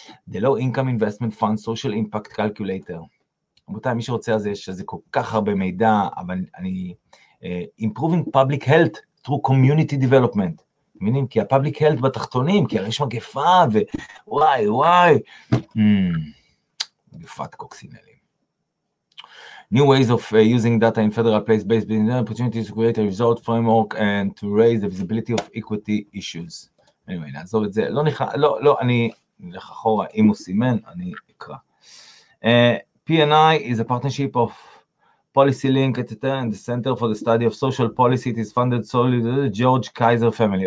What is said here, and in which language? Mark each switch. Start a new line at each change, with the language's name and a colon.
English: The Low Income Investment Fund Social Impact Calculator.
Hebrew: רבותיי, מי שרוצה אז יש איזה כל כך הרבה מידע, אבל אני,
English: improving public health through community development,
Hebrew: מבינים? כי ה-public health בתחתונים, כי הרי יש מגפה, ווואי, וואי, מגפת קוקסינלים.
English: New ways of using data in federal place-based business opportunities to create a result framework and to raise the visibility of equity issues.
Hebrew: anyway, נעזוב את זה, לא נכנס, לא, לא, אני נלך אחורה, אם הוא סימן, אני אקרא.
English: P&I is a partnership of Policy Link at the Center for the Study of Social Policy. It is funded solely by the George Kaiser family.